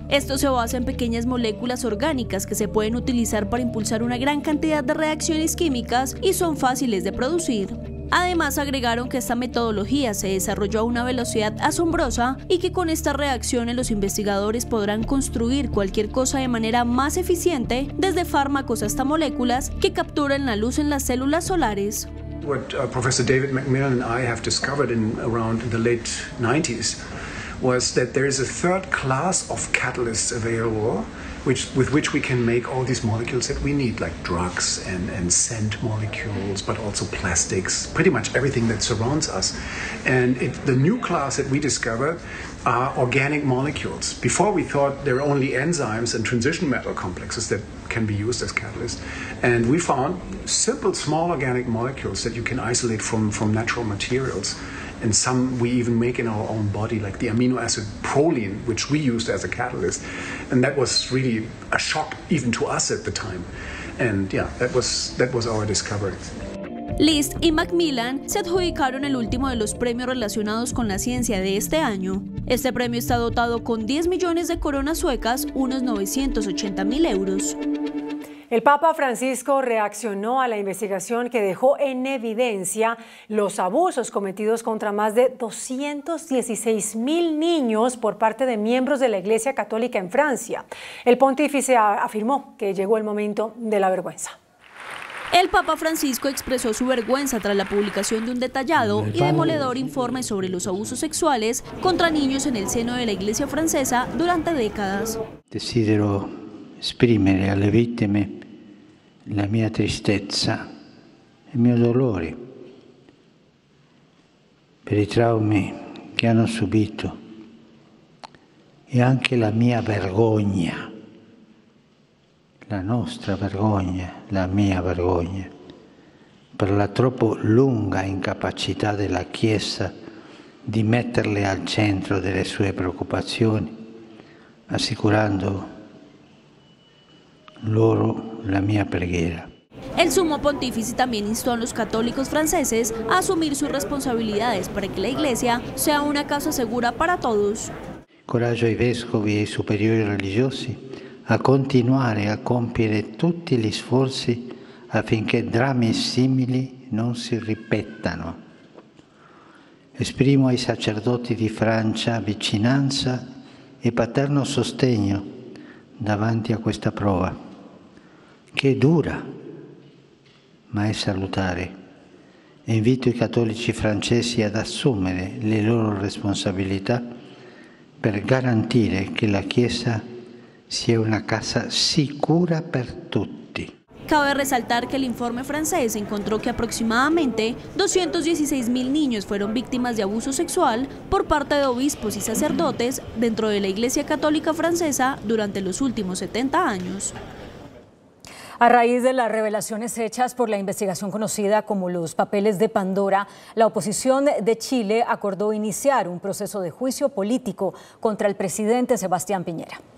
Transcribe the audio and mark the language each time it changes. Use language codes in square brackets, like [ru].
[es] Esto se basa en pequeñas moléculas orgánicas que se pueden utilizar para impulsar una gran cantidad de reacciones químicas y son fáciles de producir. Además, agregaron que esta metodología se desarrolló a una velocidad asombrosa y que con estas reacciones los investigadores podrán construir cualquier cosa de manera más eficiente, desde fármacos hasta moléculas que capturen la luz en las células solares. [en] What Professor David Macmillan and I have discovered in around the late 90s was that there is a third class of catalysts available with which we can make all these molecules that we need, like drugs and scent molecules, but also plastics, pretty much everything that surrounds us. And the new class that we discovered are organic molecules. Before we thought there are only enzymes and transition metal complexes that can be used as catalysts. And we found simple, small organic molecules that you can isolate from natural materials. And some we even make in our own body, like the amino acid proline, which we used as a catalyst. And that was really a shock even to us at the time. And yeah, that was our discovery. [es] List y Macmillan se adjudicaron el último de los premios relacionados con la ciencia de este año. Este premio está dotado con 10 millones de coronas suecas, unos 980 mil euros. El Papa Francisco reaccionó a la investigación que dejó en evidencia los abusos cometidos contra más de 216 mil niños por parte de miembros de la Iglesia Católica en Francia. El pontífice afirmó que llegó el momento de la vergüenza. El Papa Francisco expresó su vergüenza tras la publicación de un detallado y demoledor informe sobre los abusos sexuales contra niños en el seno de la Iglesia francesa durante décadas. [it] Desidero esprimere alle vittime la mia tristezza e il mio dolore per i traumi che hanno subito e anche la mia vergogna, la nostra vergogna, la mia vergogna, per la troppo lunga incapacità della Chiesa di metterle al centro delle sue preoccupazioni, assicurando loro la mia preghiera. [es] El sumo pontífice también instó a los católicos franceses a asumir sus responsabilidades para que la Iglesia sea una casa segura para todos. [it] Coraggio ai vescovi e ai superiori religiosi a continuare a compiere tutti gli sforzi affinché drammi simili non si ripetano. Esprimo ai sacerdoti di Francia vicinanza e paterno sostegno davanti a questa prova. Che dura, ma è salutare. E invito i cattolici francesi ad assumere le loro responsabilità per garantire che la Chiesa sia una casa sicura per tutti. [es] Cabe resaltar que el informe francés encontró que aproximadamente 216 mil niños fueron víctimas de abuso sexual por parte de obispos y sacerdotes dentro de la Iglesia Católica Francesa durante los últimos 70 años. A raíz de las revelaciones hechas por la investigación conocida como los papeles de Pandora, la oposición de Chile acordó iniciar un proceso de juicio político contra el presidente Sebastián Piñera.